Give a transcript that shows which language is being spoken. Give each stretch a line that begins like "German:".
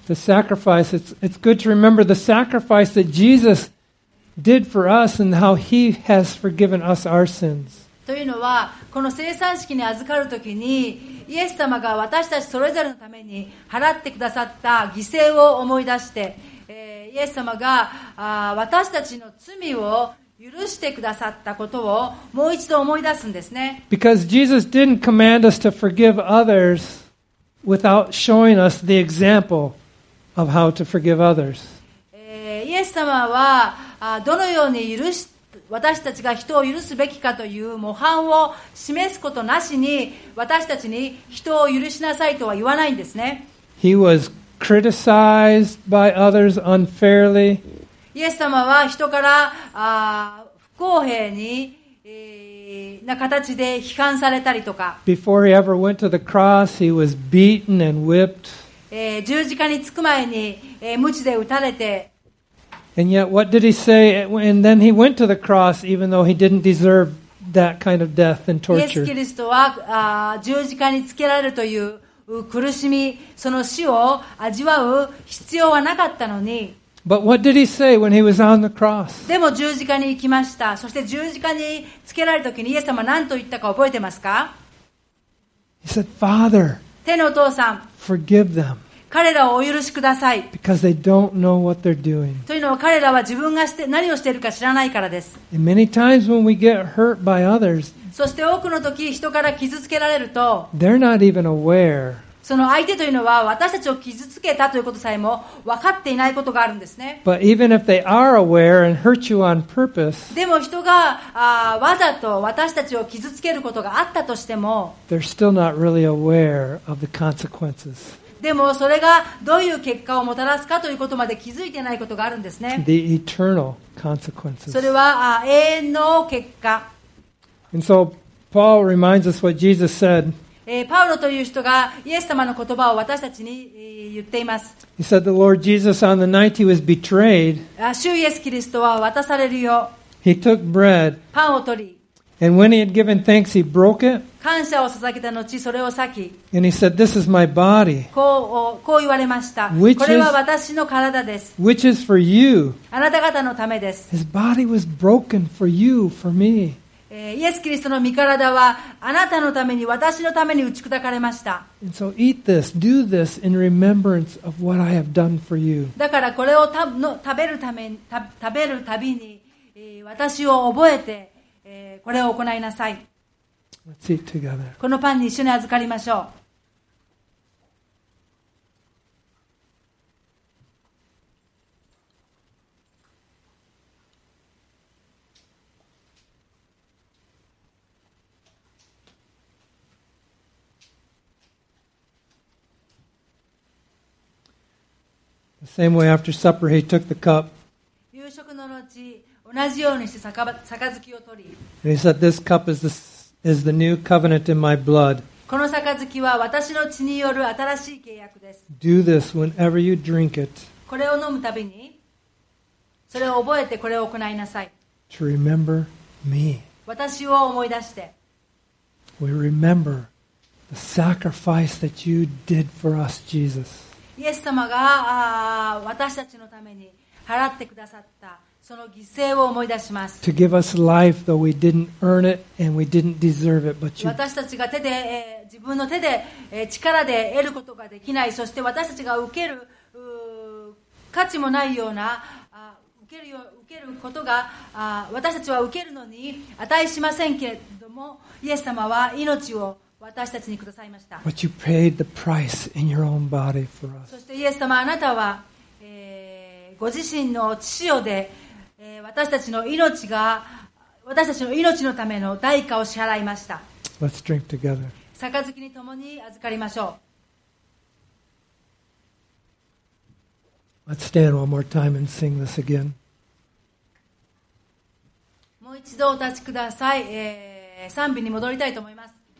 English: The sacrifice, it's good to remember the sacrifice that Jesus did for us and how he has forgiven us our sins.
Japanese: というのはこの聖餐式に預かるときにイエス様が私たちそれぞれのために払ってくださった犠牲を思い出して、イエス様が私たちの罪を許してくださったことをもう一度思い出すんですね。
English: Because Jesus didn't command us to forgive others without showing us the example of how to forgive others.
Japanese: イエス様はどのように許して私たちが人を許すべきかという模範を示すことなしに私たちに人を許しなさいとは言わないんですね。
English: He was criticized by others unfairly.
Japanese: イエス様は人から不公平に、な形で批判されたりとか。
English: Before he ever went to the cross, he was beaten and whipped.
Japanese: 十字架につく前に、鞭で打たれて。
English: And yet, what did he say? And then he went to the cross, even though he didn't deserve that kind of death and torture.
Japanese: イエス・キリストは十字架につけられるという苦しみ、その死を味わう必要はなかったのに。
English: But what did he say when he was on the cross?
Japanese: でも十字架に行きました。そして十字架につけられた時にイエス様何と言ったか覚えてますか？
English: He said, Father,
Japanese: 天のお父さん、
English: forgive them.
Japanese: 彼らをお許しください。
English: Because they don't know what they're doing.
Japanese: というのは彼らは自分がして何をしているか知らないからです。
English: And many times when we get hurt by others,
Japanese: そして多くの時人から傷つけられると、
English: they're not even aware.
Japanese: その相手というのは私たちを傷つけたということさえも分かっていないことがあるんですね。
English: But even if they are aware and hurt you on purpose,
Japanese: でも人がわざと私たちを傷つけることがあったとしても、
English: they're still not really aware of the consequences.
Japanese: でもそれがどういう結果をもたらすかということまで気づいていないことがあるんですね。
English: The eternal consequences.
Japanese: それは永遠の結果。
English: And so Paul reminds us what Jesus said.
Japanese: パウロという人がイエス様の言葉を私たちに言っています。
English: He said the Lord Jesus on the night he was betrayed.
Japanese: 主イエスキリストは渡されるよ。
English: He took bread.
Japanese: パンを取り。
English: And when he had given thanks, he broke it.
Japanese: 感謝を捧げた後、それを裂き。
English: And he said, "This is my body."
Japanese: こう言われました。これは私の体です。
English: Which is for you.
Japanese: あなた方のためです。
English: His body was broken for you, for me.
Japanese: イエス・キリストの身体はあなたのために、私のために打ち砕かれました。
English: And so eat this, do this in remembrance of what I have done for you.
Japanese: だからこれを食べるために、食べるたびに、私を覚えて、これを行いなさい。
English: Let's eat together.
Japanese: このパンに一緒に預かりましょう。
English: The same way after supper, he took the cup.
Japanese: 夕食の後同じようにして杯を取り。
English: And he said, "This cup is the new covenant in my blood."
Japanese: この杯は私の血による新しい契約です。
English: Do this whenever you drink it.
Japanese: これを飲むたびに、それを覚えてこれを行いなさい。
English: To remember me.
Japanese: 私を思い出して。
English: We remember The sacrifice that you did for us, Jesus.
Japanese: イエス様が私たちのために払ってくださったその犠牲を思い出します。
English: To give us life, though we didn't earn it and we didn't deserve it, but you.
Japanese: 私たちが手で、自分の手で、力で得ることができない、そして私たちが受ける価値もないような受けることが私たちは受けるのに値しませんけれども、イエス様は命を私たちにくださいました。
English: But you paid the price in your own body for us.
Japanese: そしてイエス様あなたは、ご自身の血をで私たちの命が私たちの命のための代価を支払いました。
English: Let's drink together.
Japanese: 杯に共に預かりましょう。
English: Let's stand one more time and sing this again.
Japanese: もう一度お立ちください。賛美に戻りたいと思います。